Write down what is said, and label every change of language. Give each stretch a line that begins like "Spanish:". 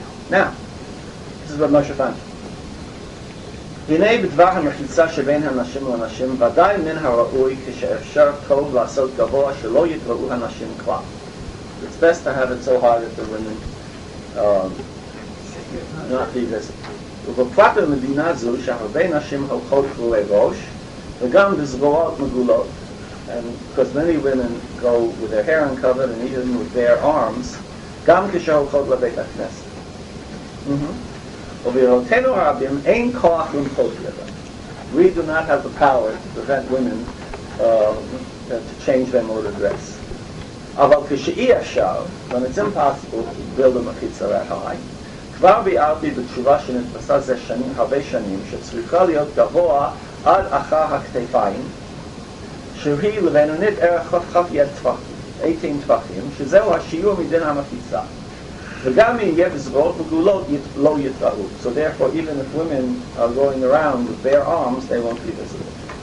English: Now, this is what Moshe found
Hebrew: הנה בדבר המחיצה שבין אנשים לאנשים ודאי מן הראוי כשאפשר טוב לעשות גבוה שלא יתראו אנשים כבר
English: It's best to have it so high that the women not be visible.
Hebrew: ובפרט במדינה זו שהרבה נשים הולכות כלולי ראש וגם בזרועות מגולות.
English: And because many women go with their hair uncovered and even with their arms,
Hebrew: גם כשהולכות לבית הכנסת. ובראותינו הרבים אין כוח למחות לבית.
English: We do not have the power to prevent women to change their mode of dress.
Hebrew: אבל כשאי אפשר,
English: when it's impossible to build a
Hebrew: מחיצה
English: that high,
Hebrew: כבר ביארתי בתשובה שנתפסה זה שנים, הרבה שנים, שצריכה להיות גבוה עד אחר הכתפיים, שהיא לבינונית ערך חף יד טווחים, 18 טווחים, שזהו השיעור מדין המחיצה. וגם אם יהיה בזרועות מגולות, לא יתראו.
English: So therefore, even if women are going around with bare arms, they won't be visible.